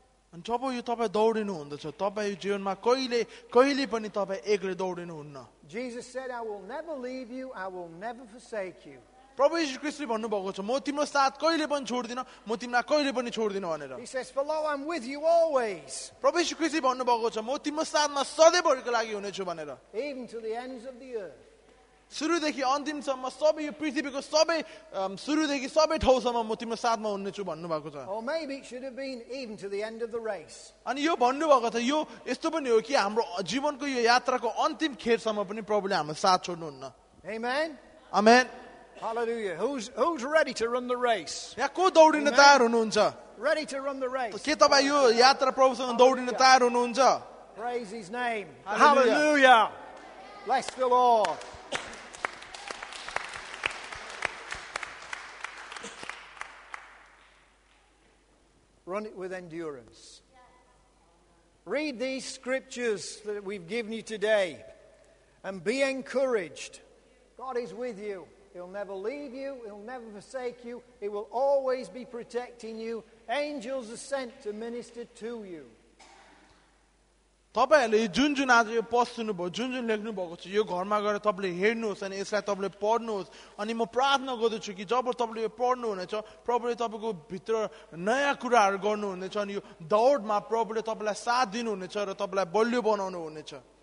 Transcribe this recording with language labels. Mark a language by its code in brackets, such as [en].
[ne] अनि जब यो तपाईँ दौडिनु हुँदछ तपाईँ जीवनमा कहिले पनि तपाईँ एक्लै दौडिनु हुन्न. [en] Jesus said, I will never leave you, I will never forsake you. [ne] प्रभु यीशु ख्रीष्टले भन्नुभएको छ म तिम्रो साथ कहिले पनि छोड्दिन म तिमीलाई कहिले पनि छोड्दिन भनेर. [en] He says, for lo, I'm with you always. [ne] प्रभु यीशु ख्रीष्टले भन्नुभएको छ म तिम्रो साथमा सधैँभरिको लागि हुनेछु भनेर. [en] Even to the ends of the earth. [ne] सुरुदेखि अन्तिमसम्म सबै यो पृथ्वीको सबै सुरुदेखि सबै ठाउँसम्म म तिम्रो साथमा हुनेछु भन्नुभएको छ. [en] Or maybe it should have been even to the end of the race. [ne] अनि यो भन्नुभएको छ यो यस्तो पनि हो कि हाम्रो जीवनको यो यात्राको अन्तिम खेरसम्म पनि प्रभुले हाम्रो साथ छोड्नुहुन्न. [en] Amen. Amen. Hallelujah. Who's ready to run the race? [ne] Ya ko daudina tayar hununcha? [en] Ready to run the race. [ne] Ke tapai yo yatra prabhu sanga daudina tayar hununcha? [en] Praise his name. Hallelujah. Bless the Lord. Run it with endurance. Read these scriptures that we've given you today and be encouraged. God is with you. He'll never leave you, he'll never forsake you, he will always be protecting you. Angels are sent to minister to you. [ne] तपाईँहरूले जुन जुन आज यो पस्नु भयो जुन जुन लेख्नु भएको छ यो घरमा गएर तपाईँले हेर्नुहोस् अनि यसलाई तपाईँले पढ्नुहोस् अनि म प्रार्थना गर्दछु कि जब तपाईँले यो पढ्नुहुनेछ प्रभुले तपाईँको भित्र नयाँ कुराहरू गर्नुहुनेछ अनि यो दौडमा प्रभुले तपाईँलाई साथ दिनुहुनेछ र तपाईँलाई बलियो बनाउनु हुनेछ.